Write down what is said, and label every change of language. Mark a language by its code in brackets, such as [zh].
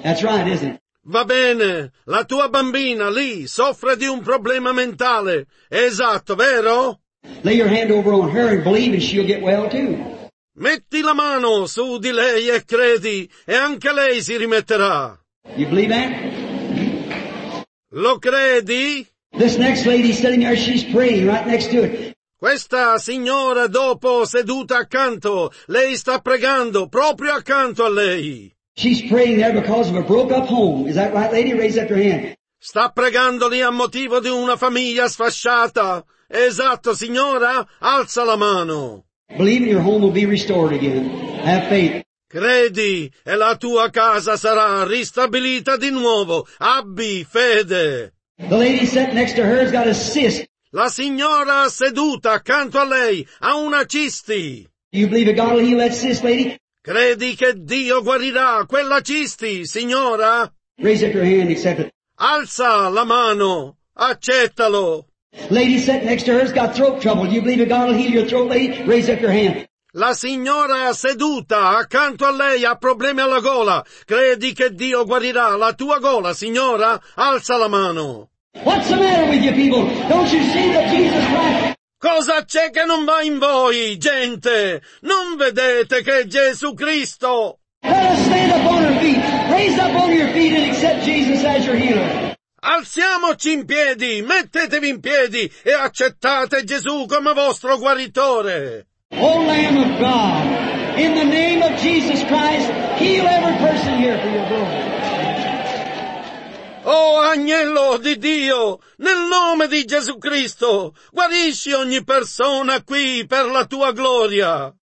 [en] That's right, isn't it? [it] Va bene, la tua bambina lì soffre di un problema mentale. Esatto, vero? [en] Lay your hand over on her and believe and she'll get well too. [it] Metti la mano su di lei e credi, e anche lei si rimetterà. [en] You believe that? [it] Lo credi? [en] This next lady sitting there, she's praying right next to it. [it] Questa signora dopo seduta accanto, lei sta pregando proprio accanto a lei. [en] She's praying there because of a broke-up home. Is that right, lady? Raise up your hand. [it] Sta pregando lì a motivo di una famiglia sfasciata. Esatto, signora. Alza la mano. [en] Believe your home will be restored again. Have faith. [it] Credi e la tua casa sarà ristabilita di nuovo. Abbi fede. [en] The lady sat next to her has got a cyst. [it] La signora seduta accanto a lei ha una cisti. [en] You believe that God will heal that cyst, lady? [it] Credi che Dio guarirà quella cisti, signora? [en] Raise up your hand, accept it. [it] Alza la mano, accettalo. [en] Lady sitting next to her has got throat trouble. Do you believe that God will heal your throat, lady? Raise up your hand. [it] La signora seduta accanto a lei ha problemi alla gola. Credi che Dio guarirà la tua gola, signora? Alza la mano. [en] What's the matter with you people? Don't you see that Jesus Christ... [it] Cosa c'è che non va in voi, gente? Non vedete che Gesù Cristo... [en] Let us stand up on our feet. Raise up on your feet and accept Jesus as your healer. [it] Alziamoci in piedi, mettetevi in piedi e accettate Gesù come vostro guaritore. [en] O Lamb of God, in the name of Jesus Christ, heal every person here for your glory. [it] Oh, agnello di Dio, nel nome di Gesù Cristo, guarisci ogni persona qui per la tua gloria.